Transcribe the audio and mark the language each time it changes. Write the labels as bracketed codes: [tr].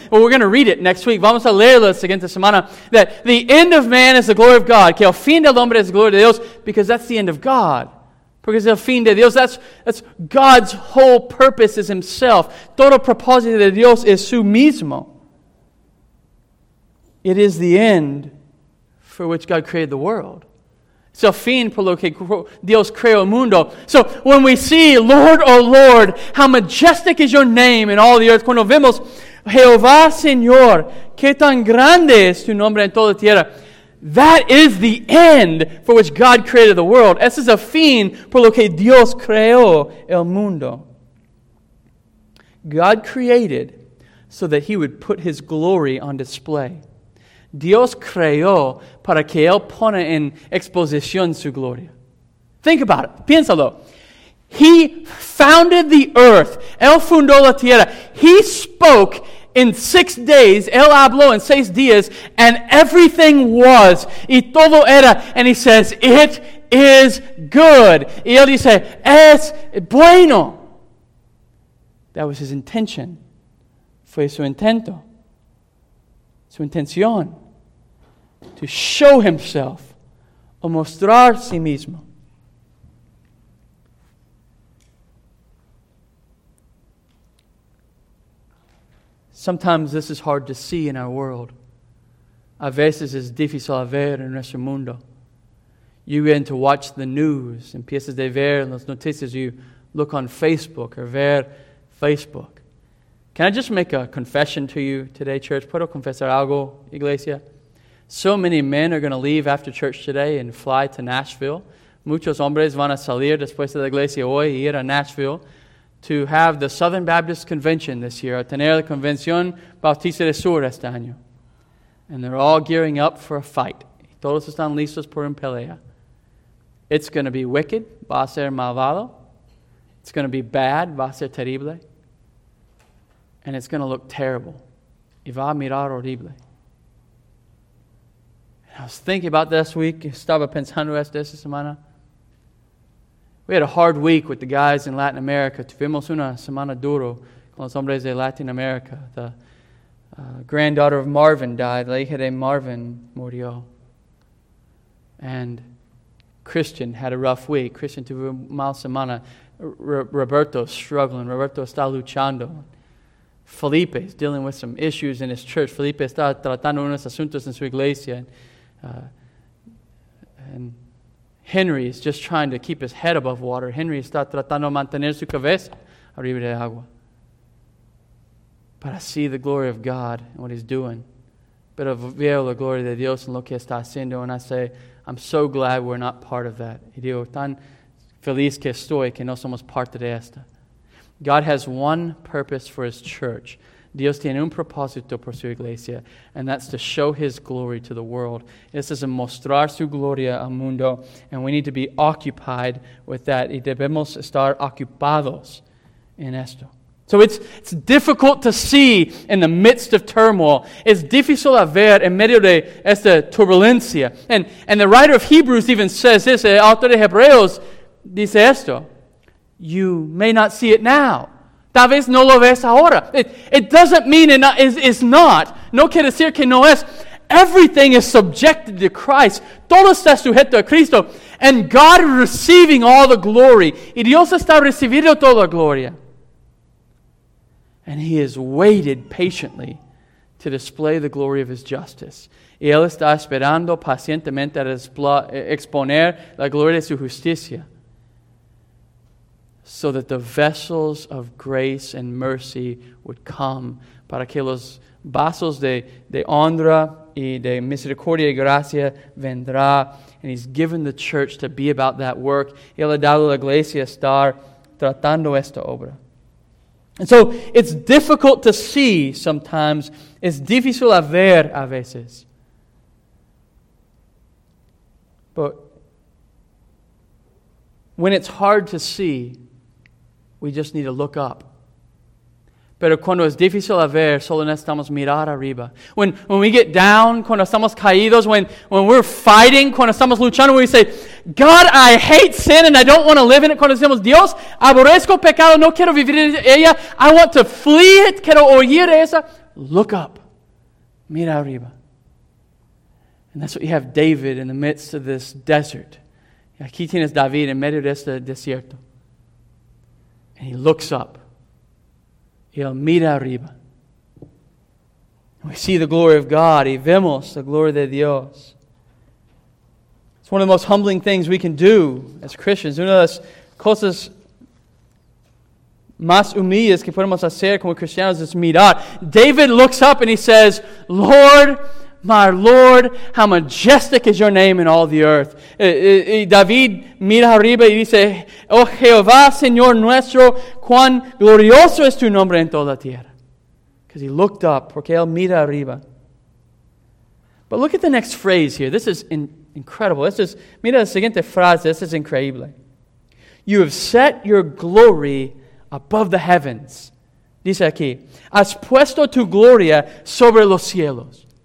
[en] Well, we're going to read it next week. [es] Vamos a leerlo la siguiente semana. [en] That the end of man is the glory of God. [es] Que el fin del hombre es la gloria de Dios. [en] Because that's the end of God. [es] Porque el fin de Dios, [en] that's God's whole purpose is Himself. [es] Todo propósito de Dios es su mismo. [en] It is the end for which God created the world. It's [es] el fin por lo que Dios creó el mundo. [en] So when we see, Lord, oh Lord, how majestic is your name in all the earth. [es] Cuando vemos, Jehová Señor, qué tan grande es tu nombre en toda la tierra. [en] That is the end for which God created the world. [es] Ese es el fin por lo que Dios creó el mundo. [en] God created so that he would put his glory on display. [es] Dios creó para que él pone en exposición su gloria. [en] Think about it. [es] Piénsalo. [en] He founded the earth. [es] Él fundó la tierra. [en] He spoke in 6 days. [es] Él habló en 6 días. [en] And everything was. [es] Y todo era. [en] And he says, it is good. [es] Y él dice, es bueno. [en] That was his intention. [es] Fue su intento. Su intención. [en] To show himself, [es] o mostrar sí mismo. [en] Sometimes this is hard to see in our world. [es] A veces es difícil ver en nuestro mundo. [en] You begin to watch the news, [es] empiezas a ver las noticias, [en] you look on Facebook, or [es] ver Facebook. [en] Can I just make a confession to you today, church? [es] ¿Puedo confesar algo, iglesia? [en] So many men are going to leave after church today and fly to Nashville. [es] Muchos hombres van a salir después de la iglesia hoy y ir a Nashville [en] to have the Southern Baptist Convention this year, [es] a tener la Convención Bautista del Sur este año. [en] And they're all gearing up for a fight. [es] Todos están listos por un pelea. [en] It's going to be wicked. [es] Va a ser malvado. [en] It's going to be bad. [es] Va a ser terrible. [en] And it's going to look terrible. [es] Y va a mirar horrible. [en] I was thinking about this week. [es] Estaba pensando esta semana. [en] We had a hard week with the guys in Latin America. [es] Tuvimos una semana duro con los hombres de Latin America. [en] The granddaughter of Marvin died. [es] La hija de Marvin murió. [en] And Christian had a rough week. [es] Christian tuvo mal semana. Roberto struggling. Roberto está luchando. [en] Felipe is dealing with some issues in his church. [es] Felipe está tratando unos asuntos en su iglesia. [en] And Henry is just trying to keep his head above water. [es] Henry está tratando de mantener su cabeza arriba de agua. [en] Para see the glory of God and what he's doing. [es] Pero veo la gloria de Dios en lo que está haciendo. [en] And I say, I'm so glad we're not part of that. [es] Y digo, tan feliz que estoy que no somos parte de esta. [en] God has one purpose for his church. [es] Dios tiene un propósito por su iglesia, [en] and that's to show his glory to the world. [es] Es a mostrar su gloria al mundo, [en] and we need to be occupied with that. [es] Y debemos estar ocupados en esto. [en] So it's difficult to see in the midst of turmoil. [es] Es difícil a ver en medio de esta turbulencia. [en] And the writer of Hebrews even says this, [es] el autor de Hebreos dice esto, [en] you may not see it now. [es] Tal vez no lo ves ahora. [en] It doesn't mean it's not. [es] No quiere decir que no es. [en] Everything is subjected to Christ. [es] Todo está sujeto a Cristo. [en] And God is receiving all the glory. [es] Y Dios está recibiendo toda la gloria. [en] And he has waited patiently to display the glory of his justice. [es] Y él está esperando pacientemente a exponer la gloria de su justicia. [en] So that the vessels of grace and mercy would come. [es] Para que los vasos de honra y de misericordia y gracia vendrá. [en] And he's given the church to be about that work. [es] Y él ha dado a la iglesia estar tratando esta obra. [en] And so it's difficult to see sometimes. [es] Es difícil a ver a veces. [en] But when it's hard to see, we just need to look up. [es] Pero cuando es difícil a ver, solo necesitamos mirar arriba. [en] When we get down, [es] cuando estamos caídos, [en] when we're fighting, [es] cuando estamos luchando, [en] we say, God, I hate sin and I don't want to live in it. [es] Cuando decimos, Dios, aborrezco pecado, no quiero vivir en ella. [en] I want to flee it, [es] quiero huir de esa. [en] Look up. [es] Mira arriba. [en] And that's what you have David in the midst of this desert. [es] Aquí tienes David en medio de este desierto. [en] And he looks up. [es] Y él mira arriba. [en] We see the glory of God. [es] Y vemos la gloria de Dios. [en] It's one of the most humbling things we can do as Christians. [es] Una de las cosas más humildes que podemos hacer como cristianos es mirar. [en] David looks up and he says, Lord, my Lord, how majestic is your name in all the earth. [es] Y David mira arriba y dice, oh Jehová, Señor nuestro, cuán glorioso es tu nombre en toda la tierra. [en] Because he looked up, [es] porque él mira arriba. [en] But look at the next phrase here. This is incredible. This is, [es] mira la siguiente frase. [en] This is increíble. You have set your glory above the heavens. [es] Dice aquí, has puesto tu gloria sobre los cielos.